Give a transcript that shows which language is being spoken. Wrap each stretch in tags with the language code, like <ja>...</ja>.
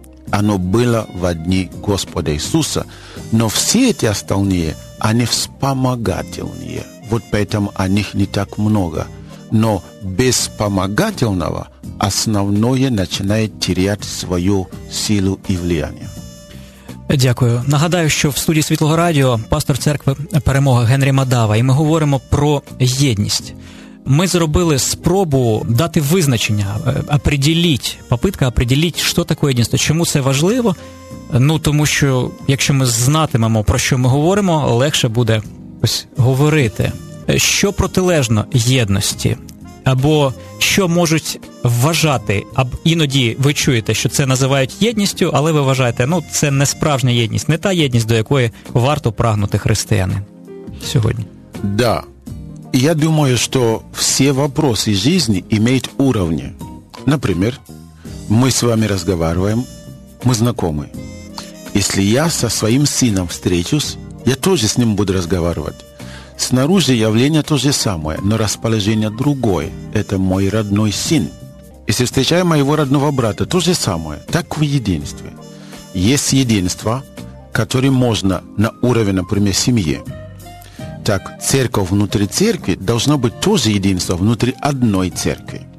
<ru>Оно было в одни Господа Иисуса, но все эти остальные, они вспомогательные. Вот поэтому о них не так много. Но без вспомогательного основное начинает терять свою силу и влияние.</ru> <uk>Дякую. Нагадаю, що в студії Світлого Радіо пастор церкви «Перемога» Генрі Мадава, і ми говоримо про єдність. Ми зробили спробу дати визначення,</uk> <ru>попытка определить,</ru> <uk>що таке єдність, чому це важливо. Ну, тому що, якщо ми знатимемо, про що ми говоримо, легше буде ось говорити. Що протилежно єдності? Або що можуть вважати, аб іноді ви чуєте, що це називають єдністю, але ви вважаєте, ну, це не справжня єдність, не та єдність, до якої варто прагнути християнин сьогодні. Да. Я думаю, що всі питання життя мають рівні. Наприклад, ми з вами розмовляємо, ми знайомі. Якщо я зі своїм сином зустрічусь, я теж з ним буду розмовляти.</uk> <ru>Снаружи явление то же самое, но расположение другое. Это мой родной сын. Если встречаю моего родного брата, то же самое. Так в единстве. Есть единство, которое можно на уровне, например, семьи. Так, церковь внутри церкви должно быть тоже единство внутри одной церкви.</ru>